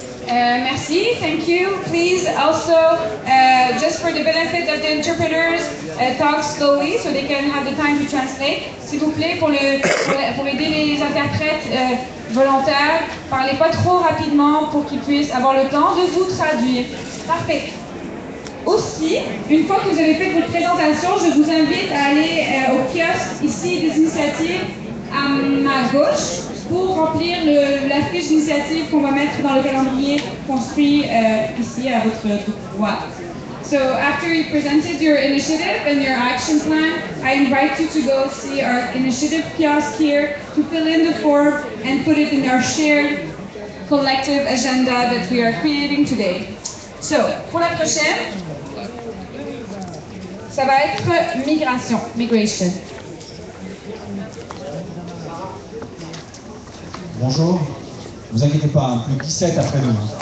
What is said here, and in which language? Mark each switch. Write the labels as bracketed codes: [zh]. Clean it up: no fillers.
[fr] Merci, [en] thank you. Please also, just for the benefit of the interpreters, talk slowly so they can have the time to translate. [fr] S'il vous plaît, pour aider les interprètes volontaires, parlez pas trop rapidement pour qu'ils puissent avoir le temps de vous traduire. Parfait. Aussi, une fois que vous avez fait votre présentation, je vous invite à aller au kiosque ici des initiatives à ma gauche pour remplir la fiche d'initiative qu'on va mettre dans le calendrier construit ici à votre droite. [en] So after you presented your initiative and your action plan, I invite you to go see our initiative kiosk here to fill in the form and put it in our shared collective agenda that we are creating today. [fr] So, pour la prochaine, ça va être migration. Bonjour, ne vous inquiétez pas, plus 17 après-demain.